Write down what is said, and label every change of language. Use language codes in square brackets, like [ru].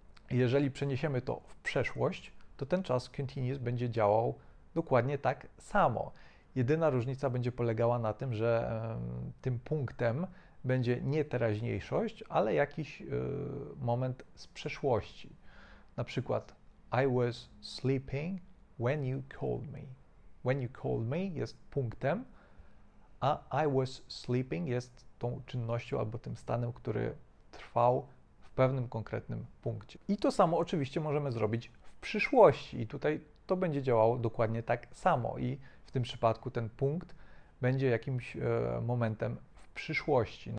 [pl] Jeżeli przeniesiemy to w przeszłość, to ten czas continuous będzie działał dokładnie tak samo. Jedyna różnica będzie polegała na tym, że tym punktem będzie nie teraźniejszość, ale jakiś moment z przeszłości. Na przykład [en] I was sleeping when you called me. When you called me [pl] jest punktem, a [en] I was sleeping [pl] jest tą czynnością albo tym stanem, który trwał w pewnym konkretnym punkcie. I to samo oczywiście możemy zrobić w przyszłości. I tutaj to będzie działało dokładnie tak samo. I w tym przypadku ten punkt będzie jakimś momentem w przyszłości.